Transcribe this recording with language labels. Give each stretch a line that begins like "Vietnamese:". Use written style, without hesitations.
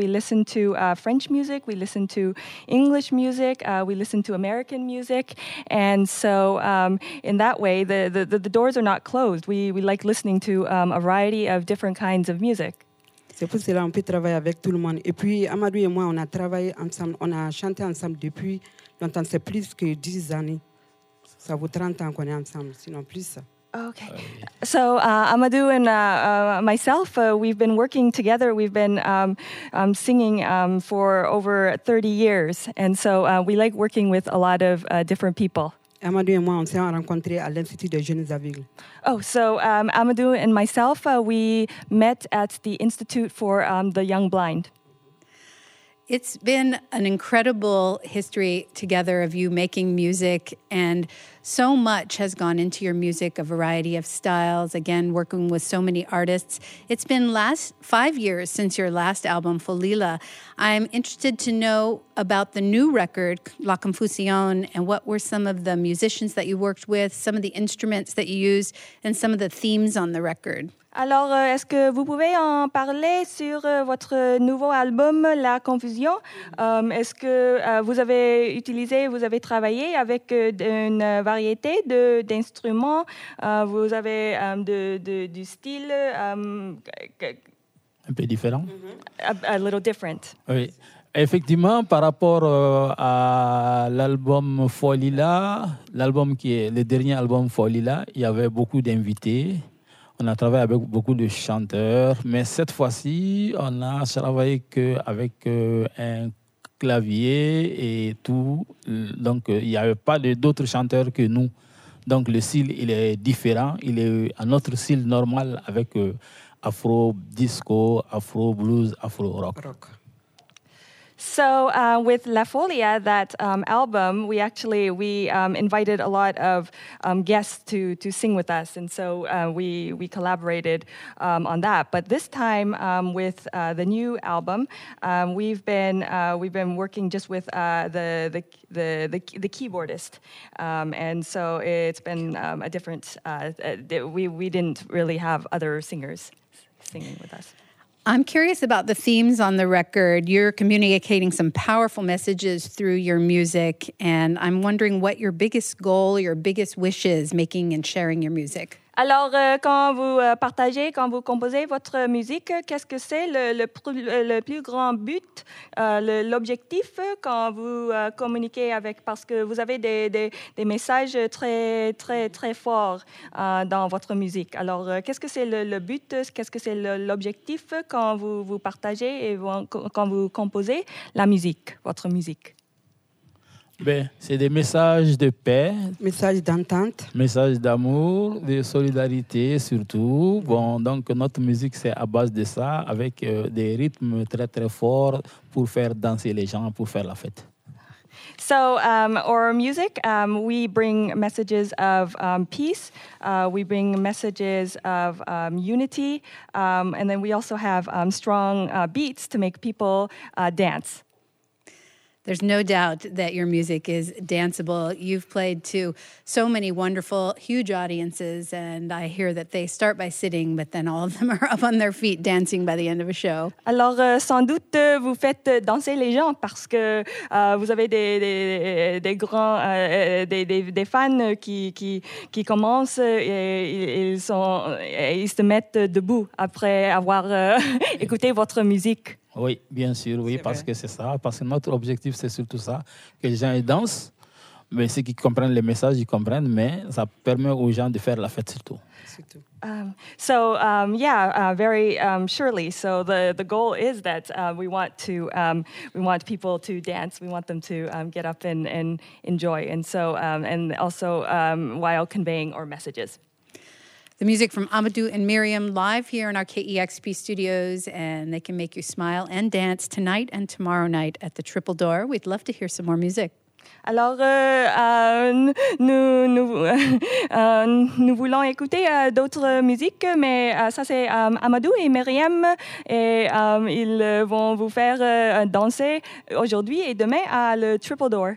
English: We listened to French music, we listened to English music, we listened to American music, and so in that way, the doors are not closed. We like listening to a variety of different kinds of music.
French: C'est pour cela qu'on peut travailler avec tout le monde. Et puis, Amadou et moi, on a travaillé ensemble, on a chanté ensemble depuis longtemps, c'est plus que 10 années. Ça vaut 30 ans qu'on est ensemble, sinon plus.
English: Okay. So Amadou and myself, we've been working together. We've been singing for over 30 years. And so we like working with a lot of different people.
French: Amadou et moi, on s'est rencontrés à l'Institut des Jeunes Aveugles.
English: Oh, so Amadou and myself, we met at the Institute for the Young Blind. It's been an incredible history together of you making music, and so much has gone into your music, a variety of styles, again, working with so many artists. It's been 5 years since your last album, Folila. I'm interested to know about the new record, La Confusion, and what were some of the musicians that you worked with, some of the instruments that you used, and some of the themes on the record.
French: Alors, est-ce que vous pouvez en parler sur votre nouveau album, La Confusion? Est-ce que vous avez travaillé avec une variété d'instruments? Vous avez du style un peu différent?
English: A little different.
French: Oui. Effectivement, par rapport à l'album Folila, l'album qui est le dernier album Folila, il y avait beaucoup d'invités. On a travaillé avec beaucoup de chanteurs, mais cette fois-ci, on a travaillé qu'avec un clavier et tout. Donc, il n'y avait pas d'autres chanteurs que nous. Donc, le style, il est différent. Il est un autre style normal avec afro-disco, afro-blues, afro-rock. Rock.
English: So with La Folia, that album, we invited a lot of guests to sing with us, and so we collaborated on that. But this time with the new album, we've been working just with the keyboardist, and so it's been a different. We didn't really have other singers singing with us. I'm curious about the themes on the record. You're communicating some powerful messages through your music, and I'm wondering what your biggest goal, your biggest wish is making and sharing your music.
French: Alors, quand vous partagez, quand vous composez votre musique, qu'est-ce que c'est le plus grand but, l'objectif quand vous communiquez avec, parce que vous avez des messages très, très, très forts dans votre musique. Alors, qu'est-ce que c'est le but, qu'est-ce que c'est l'objectif quand vous partagez et quand vous composez la musique, votre musique? Ben, c'est des messages de paix. Messages d'entente. Messages d'amour, de solidarité surtout. Bon, donc notre musique, c'est à base de ça, avec des rythmes très, très forts pour faire danser les gens, pour faire la fête.
English: So, our music, we bring messages of peace. We bring messages of unity. And then we also have strong beats to make people dance. There's no doubt that your music is danceable. You've played to so many wonderful, huge audiences, and I hear that they start by sitting, but then all of them are up on their feet dancing by the end of a show.
French: Alors, sans doute, vous faites danser les gens parce que vous avez des grands, des fans qui commencent et ils se mettent debout après avoir écouté votre musique. Oui, bien sûr, oui, c'est parce vrai. Que c'est ça. Parce que notre objectif, c'est surtout ça, que les gens dansent. Mais ceux qui comprennent les messages, ils comprennent, mais ça permet aux gens de faire la fête surtout.
English: Surely. So the goal is that we want people to dance. We want them to get up and enjoy. And so and also while conveying our messages. The music from Amadou and Miriam live here in our KEXP studios, and they can make you smile and dance tonight and tomorrow night at the Triple Door. We'd love to hear some more music.
French: Alors, nous voulons écouter d'autres musiques, mais ça c'est Amadou et Miriam, et ils vont vous faire danser aujourd'hui et demain à le Triple Door.